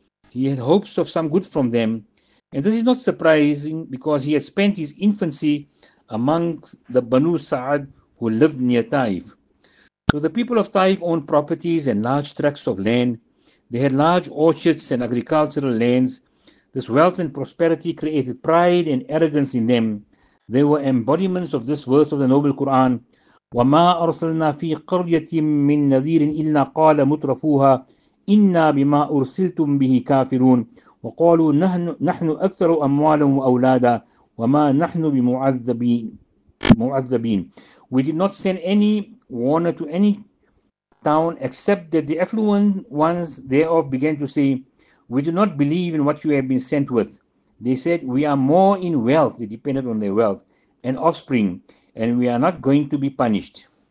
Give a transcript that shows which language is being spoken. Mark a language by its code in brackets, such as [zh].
[en] He had hopes of some good from them, and this is not surprising because he had spent his infancy among the Banu Sa'ad who lived near Taif. So the people of Taif owned properties and large tracts of land. They had large orchards and agricultural lands. This wealth and prosperity created pride and arrogance in them. They were embodiments of this verse of the noble Quran, [ar] وَمَا أَرْسَلْنَا فِي قَرْيَةٍ مِّن نَذِيرٍ إِلَّا قَالَ مُتْرَفُوهَا إِنَّا بِمَا أُرْسِلْتُمْ بِهِ كَافِرُونَ وَقَالُوا نَحْنُ أَكْثَرُ أَمْوَالًا وَأَوْلَادًا وَمَا نَحْنُ بِمُعَذَّبِينَ. [en] We did not send any warner to any town except that the affluent ones thereof began to say, we do not believe in what you have been sent with. They said, we are more in wealth, they depended on their wealth, and offspring, and we are not going to be punished.